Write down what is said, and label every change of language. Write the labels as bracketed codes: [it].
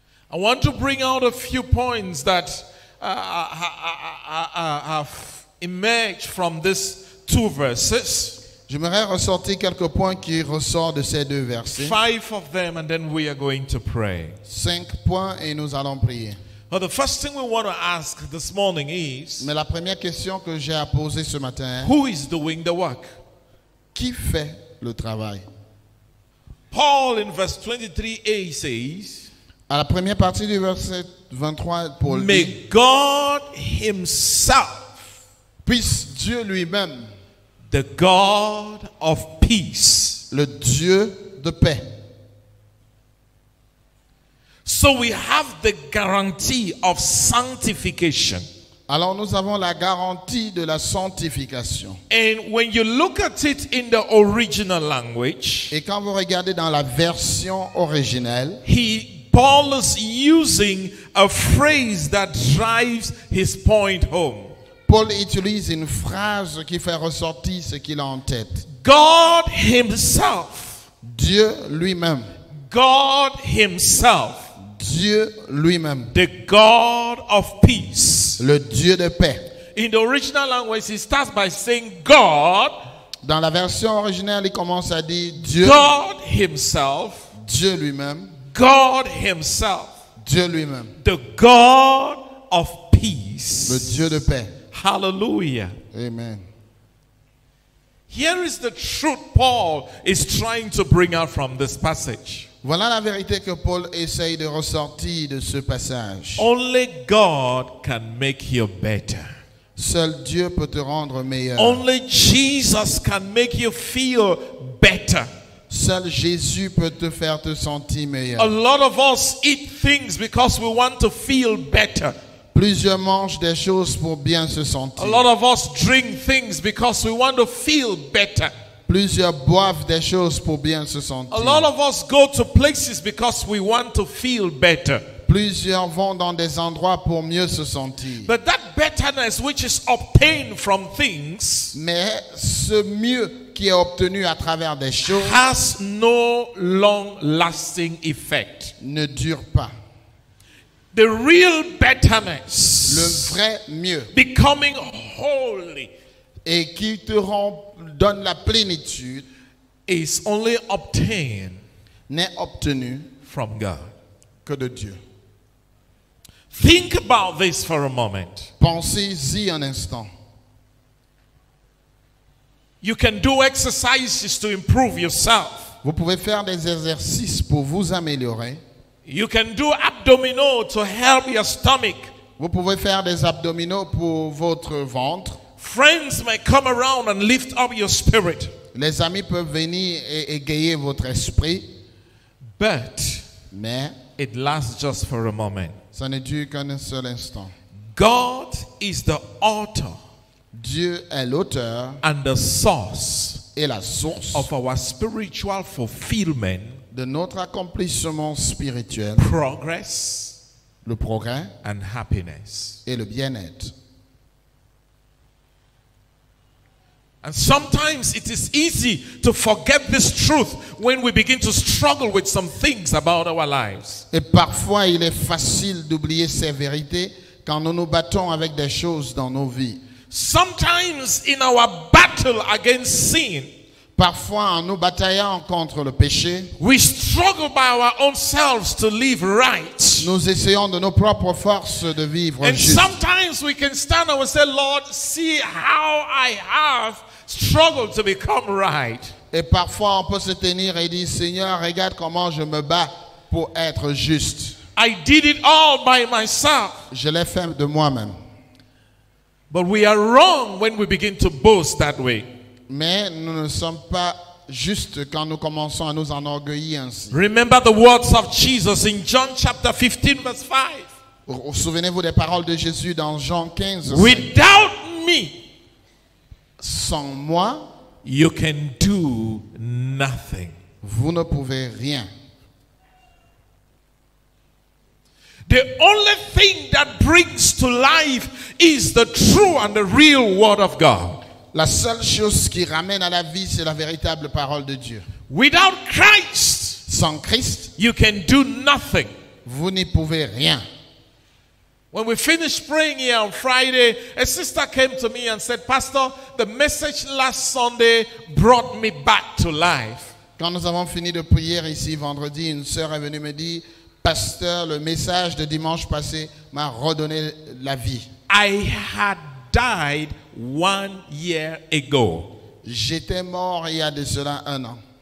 [en] I want to bring out a few points that have emerged from these two verses. [fr] J'aimerais ressortir quelques points qui ressortent de ces deux versets. [en] Five of them, and then we are going to pray. [fr] Cinq points et nous allons prier. [en] Well, the first thing we want to ask this morning is. [fr] Mais la première question que j'ai à poser ce matin. [en] Who is doing the work? [fr] Qui fait le travail? [en] Paul in verse 23 A says. [fr] À la première partie du verset 23, Paul dit. [en] May God Himself, [fr] puisse Dieu lui-même, [en] the God of peace, [fr] le Dieu de paix. [en] So we have the guarantee of sanctification. [fr] Alors nous avons la garantie de la sanctification. [en] And when you look at it in the original language, [fr] et quand vous regardez dans la version originelle, [en] Paul is using a phrase that drives his point home. [fr] Paul utilise une phrase qui fait ressortir ce qu'il a en tête. [en] God Himself. [fr] Dieu lui-même. [en] God Himself. [fr] Dieu lui-même. [en] The God of peace. [fr] Le Dieu de paix. [en] In the original language, it starts by saying God. [fr] Dans la version originale, il commence à dire Dieu. [en] God Himself. [fr] Dieu lui-même. [en] God Himself. [fr] Dieu lui-même. [en] The God of peace. [fr] Le Dieu de paix. Hallelujah. Amen. [en] Here is the truth Paul is trying to bring out from this passage. [fr] Voilà la vérité que Paul essaye de ressortir de ce passage. [en] Only God can make you better. [fr] Seul Dieu peut te rendre meilleur. [en] Only Jesus can make you feel better. [fr] Seul Jésus peut te faire te sentir meilleur. [en] A lot of us eat things because we want to feel better. [fr] Plusieurs mangent des choses pour bien se sentir. [en] A lot of us drink things because we want to feel better. [fr] Plusieurs boivent des choses pour bien se sentir. [en] A lot of us go to places because we want to feel better. [fr] Plusieurs vont dans des endroits pour mieux se sentir. [en] But that betterness which is obtained from things, [fr] mais ce mieux qui est obtenu à travers des choses, [en] has no long-lasting effect. [fr] Ne dure pas. [en] The real betterness, [fr] le vrai mieux, [en] becoming holy, [fr] et qui te rend donne la plénitude, [en] is only obtained, [fr] n'est obtenu [en] from God, [fr] que de Dieu. [en] Think about this for a moment. [fr] Pensez-y un instant. [en] You can do exercises to improve yourself. [fr] Vous pouvez faire des exercices pour vous améliorer. [en] You can do abdominaux to help your stomach. [fr] Vous pouvez faire des abdominaux pour votre ventre. [en] Friends may come around and lift up your spirit. [fr] Les amis peuvent venir et égayer votre esprit. [en] But [fr] mais [en] it lasts just for a moment. [fr] Ça ne dure qu'un seul instant. [en] God is the author. [fr] Dieu est l'auteur. [en] And the source. [fr] Et la source. [en] Of our spiritual fulfillment. [fr] De notre accomplissement spirituel. [en] Progress. [fr] Le progrès. [en] And happiness. [fr] Et le bien-être. [en] And sometimes it is easy to forget this truth when we begin to struggle with some things about our lives. [fr] Et parfois il est facile d'oublier ces vérités quand nous nous battons avec des choses dans nos vies. [en] Sometimes in our battle against sin, [fr] Parfois, en nous bataillant contre le péché, [en] we struggle by our own selves to live right. [fr] Nous essayons de nos propres forces de vivre [en] and [fr] juste. [en] Sometimes we can stand and we say, Lord, see how I have struggled to become right. [fr] Et parfois, on peut se tenir et dire, Seigneur, regarde comment je me bats pour être juste. [en] I did it all by myself. [fr] Je l'ai fait de moi-même. [en] But we are wrong when we begin to boast that way. [fr] Mais nous ne sommes pas justes quand nous commençons à nous enorgueillir ainsi. [en] Remember the words of Jesus in John chapter 15 verse 5. [fr] Souvenez-vous des paroles de Jésus dans Jean 15. [en] Without me, [fr] sans moi, [en] you can do nothing. [fr] Vous ne pouvez rien. [en] The only thing that brings to life is the true and the real word of God. [fr] La seule chose qui ramène à la vie, c'est la véritable parole de Dieu. [en] Without Christ, [fr] sans Christ, [en] you can do nothing. [fr] Vous n'y pouvez rien. [en] When we finished praying here on Friday, a sister came to me and said, "Pastor, the message last Sunday brought me back to life." [fr] Quand nous avons fini de prier ici vendredi, une sœur est venue me dire, "Pasteur, le message de dimanche passé m'a redonné la vie." [en] I had died 1 year ago. [fr] J'étais mort il y a de cela un an.